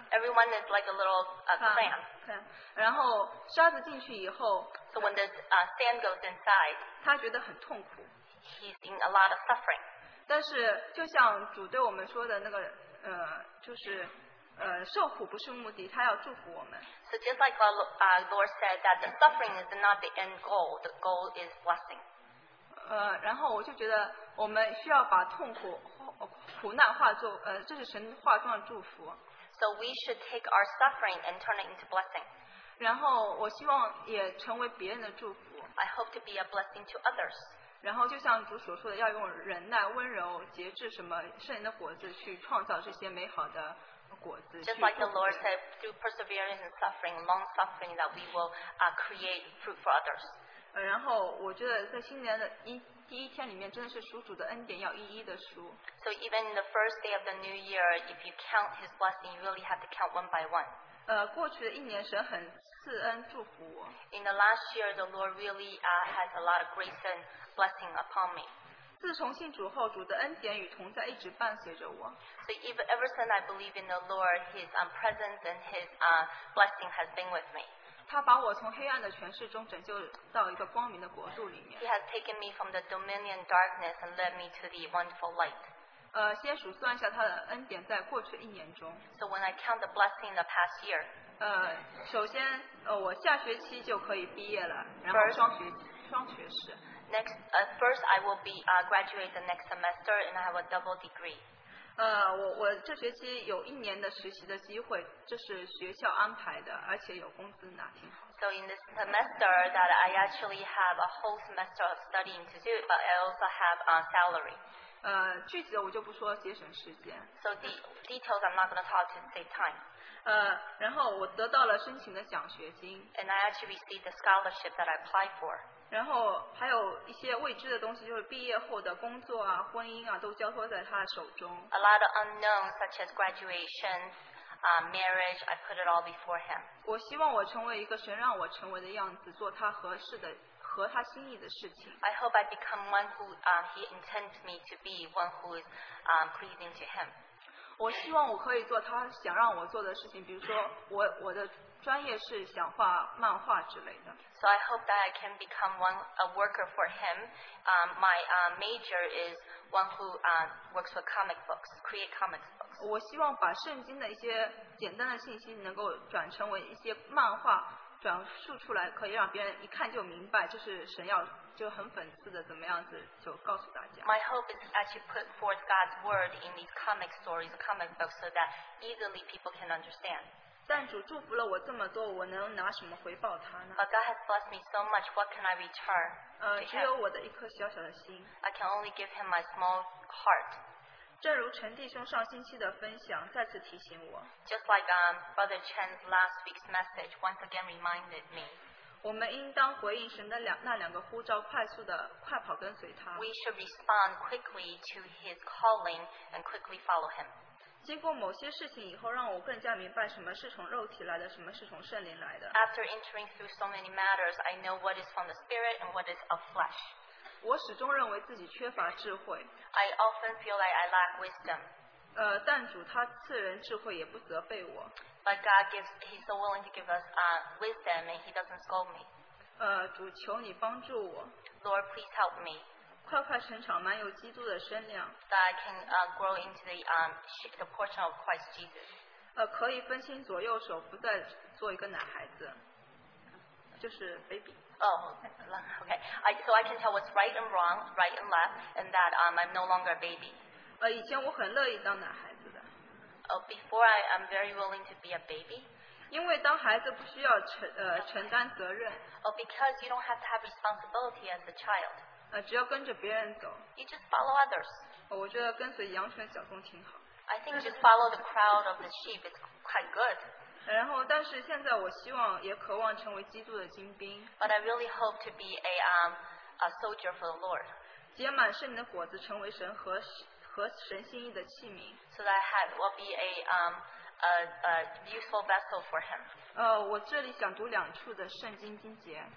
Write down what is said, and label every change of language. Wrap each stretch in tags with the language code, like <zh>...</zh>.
<en>Everyone is like a little clamp.</en> <zh>然后沙子进去以后</zh> <en>，So when the sand goes inside，</en> <zh>他觉得很痛苦。</zh> <en>He's in a lot of suffering.</en> <zh>但是就像主对我们说的那个就是。受苦不是目的，他要祝福我们。</zh> <en>So just like our Lord said that the suffering is not the end goal, the goal is blessing.</en> <zh>然后我就觉得我们需要把痛苦、苦难化作这是神化作祝福。</zh> <en>So we should take our suffering and turn it into blessing.</en> <zh>然后我希望也成为别人的祝福。</zh> <en>I hope to be a blessing to others.</en> <zh>然后就像主所说的，要用忍耐、温柔、节制什么圣灵的果子去创造这些美好的。</zh> <en>Just like the Lord said, through perseverance and suffering, long suffering, that we will create fruit for others.</en> <zh>然后我觉得在新年的第一天里面，真的是属主的恩典要一一的数。</zh> <en>So even in the first day of the new year, if you count His blessing, you really have to count one by one.</en> <zh>过去的一年，神很赐恩祝福我。</zh> <en>In the last year, the Lord really has a lot of grace and blessing upon me.</en> <zh>自从信主后，主的恩典与同在一直伴随着我。</zh> <en>So ever since I believe in the Lord, His presence and His blessing has been with me.</en> <zh>他把我从黑暗的权势中拯救到一个光明的国度里面。</zh> <en>He has taken me from the dominion darkness and led me to the wonderful light.</en> <zh>先数算一下他的恩典在过去一年中。</zh> <en>So when I count the blessing in the past year.</en> <zh>首先，我下学期就可以毕业了，然后双学士。</zh> <en>First, I will be graduate the next semester, and I have a double degree.</en> <zh>我这学期有一年的实习的机会，这是学校安排的，而且有工资拿，挺好。</zh> <en>So in this semester, that I actually have a whole semester of studying to do, but I also have a salary.</en> <zh>具体的我就不说，节省时间。</zh> <en>So details I'm not going to talk to save time.</en> <zh>然后我得到了申请的奖学金。</zh> <en>And I actually received the scholarship that I applied for.</en> <zh>然后还有一些未知的东西，就是毕业后的工作啊、婚姻啊，都交托在他的手中。</zh> <en>A lot of unknowns, such as graduation, marriage, I put it all before him.</en> <zh>我希望我成为一个神让我成为的样子，做他合适的、合他心意的事情。</zh> <en>I hope I become one who he intends me to be, one who is pleasing to him.</en> <zh>我希望我可以做他想让我做的事情，比如说我的。专业是想画漫画之类的。</zh> <en>So I hope that I can become a worker for him. My major is one who works with comic books, create comic books.</en> <zh>我希望把圣经的一些简单的信息能够转成为一些漫画，转述出来，可以让别人一看就明白，就是神要就很讽刺的怎么样子就告诉大家。</zh> <en>My hope is actually put forth God's word in these comic stories, comic books, so that easily people can understand.</en> <zh>但主祝福了我这么多，我能拿什么回报他呢？</zh> <en>But God has blessed me so much. What can I return?</en> <zh>只有我的一颗小小的心。</zh> <en>I can only give him my small heart.</en> <zh>正如陈弟兄上星期的分享再次提醒我。</zh> <en>Just like Brother Chen's last week's message once again reminded me.</en> <zh>我们应当回应神的那两个呼召，快速的快跑跟随他。</zh> <en>We should respond quickly to His calling and quickly follow Him.</en> <zh>经过某些事情以后，让我更加明白什么是从肉体来的，什么是从圣灵来的。</zh> <en>After entering through so many matters, I know what is from the spirit and what is of flesh.</en> <zh>我始终认为自己缺乏智慧。</zh> <en>I often feel like I lack wisdom.</en> <zh>但主他赐人智慧，也不责备我。</zh> <en>But God gives, He's so willing to give us wisdom, and He doesn't scold me.</en> <zh>主求你帮助我。</zh> <en>Lord, please help me.</en> <zh>快快成长，满有基督的身量。</zh> <en>That I can grow into the portion of Christ Jesus.</en> <zh>可以分心左右手，不再做一个男孩子，就是 baby.</zh> <en>Okay. So I can tell what's right and wrong, right and left, and that I'm no longer a baby.</en> <zh>以前我很乐意当男孩子的。</zh> <en>Before I'm very willing to be a baby.</en> <zh>因为当孩子不需要承担责任。</zh> <en>Because you don't have to have responsibility as a child.</en> <zh>只要跟着别人走。</zh> <en>You just follow others.</en> <zh>我觉得跟随羊群小众挺好。</zh> <en>I think just follow the crowd of the sheep is quite good.</en> <zh>然后，但是现在我希望也渴望成为基督的精兵。</zh> <en>But I really hope to be a soldier for the Lord.</en> <zh>结满圣灵的果子，成为神和神心意的器皿。</zh> <en>So that I will be a useful vessel for Him.</en> <zh>我这里想读两处的圣经经节。</zh>